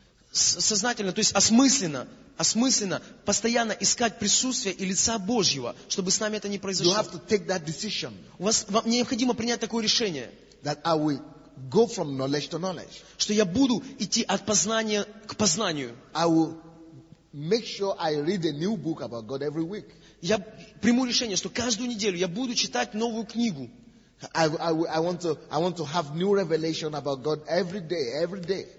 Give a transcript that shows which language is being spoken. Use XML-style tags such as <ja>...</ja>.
<ru>Сознательно, то есть осмысленно постоянно искать присутствие и лица Божьего, чтобы с нами это не произошло.</ru> <en>You have to take that decision.</en> <ru>Вам необходимо принять такое решение.</ru> <en>That I will go from knowledge to knowledge.</en> <ru>Что я буду идти от познания к познанию.</ru> <en>I will make sure I read a new book about God every week.</en> <ru>Я приму решение, что каждую неделю я буду читать новую книгу.</ru> <en>I want to have new revelation about God every day.</en>